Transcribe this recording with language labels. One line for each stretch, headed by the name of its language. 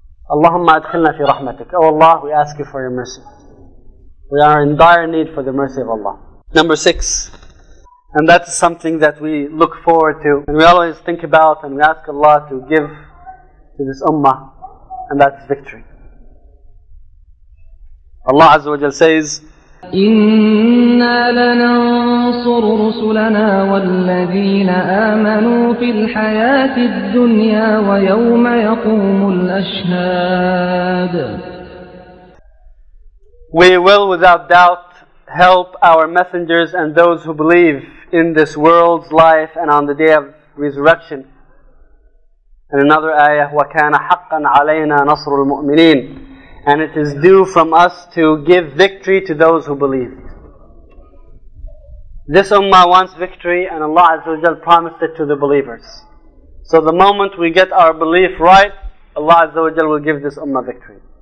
Arabic: Allahumma adkhilna fi rahmatik.
English: Oh Allah, we ask you for your mercy. We are in dire need for the mercy of Allah. Number 6, and that is something that we look forward to, and we always think about, and we ask Allah to give to this ummah, and that is victory. Allah Azza wa Jalla says,
Arabic: إنا لننصر رسلنا والذين آمنوا في الحياة الدنيا ويوم يقوم الأشهاد.
English: We will without doubt help our messengers and those who believe in this world's life and on the day of resurrection. And another ayah,
Arabic: وَكَانَ حَقًّا عَلَيْنَا نَصْرُ الْمُؤْمِنِينَ.
English: And it is due from us to give victory to those who believe. This ummah wants victory, and Allah Azza wa Jalla promised it to the believers. So the moment we get our belief right, Allah Azza wa Jalla will give this ummah victory.